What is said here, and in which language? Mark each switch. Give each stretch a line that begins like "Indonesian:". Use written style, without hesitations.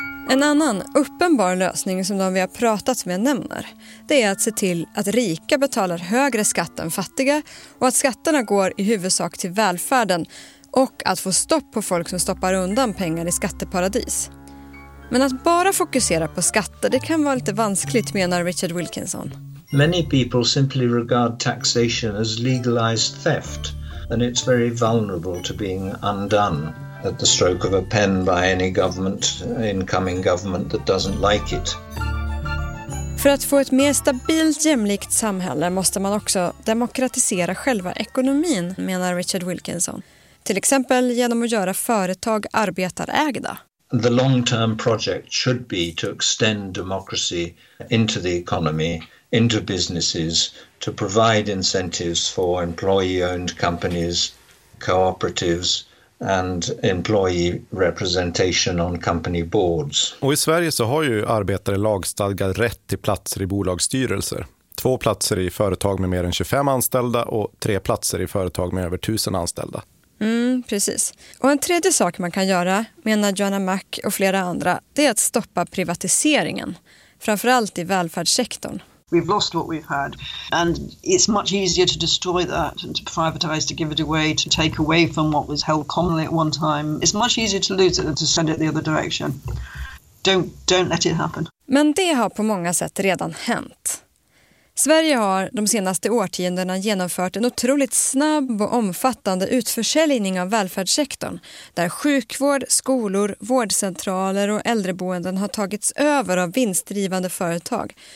Swedish: En annan uppenbar lösning som de vi har pratat med nämner, det är att se till att rika betalar högre skatt än fattiga och att skatterna går i huvudsak till välfärden och att få stopp på folk som stoppar undan pengar i skatteparadis. Men att bara fokusera på skatter, det kan vara lite vanskligt, menar Richard Wilkinson.
English: Many people simply regard taxation as legalized theft and it's very vulnerable to being undone at the stroke of a pen by any government, incoming government that doesn't like it.
Swedish: För att få ett mer stabilt jämlikt samhälle måste man också demokratisera själva ekonomin, menar Richard Wilkinson. Till exempel genom att göra företag arbetarägda.
English: the long-term project should be to extend democracy into the economy, into businesses, to provide incentives for employee-owned companies, cooperatives, and employee representation on company boards.
Swedish: Och i Sverige så har ju arbetare lagstadgad rätt till platser i bolagsstyrelser. Två platser i företag med mer än 25 anställda och tre platser i företag med över 1000 anställda. Mm, precis. Och en tredje sak man kan göra, menar Joanna Mack och flera andra, det är att stoppa privatiseringen, framförallt i välfärdssektorn.
English: We've lost what we've had, and it's much easier to destroy that and to privatize, to give it away, to take away from what was held commonly at one time. It's much easier to lose it than to send it the other direction. Don't let it happen.
Swedish: Men det har på många sätt redan hänt. Sverige har de senaste årtiondena genomfört en otroligt snabb och omfattande utförsäljning av välfärdssektorn, där sjukvård, skolor, vårdcentraler och äldreboenden har tagits över av vinstdrivande företag.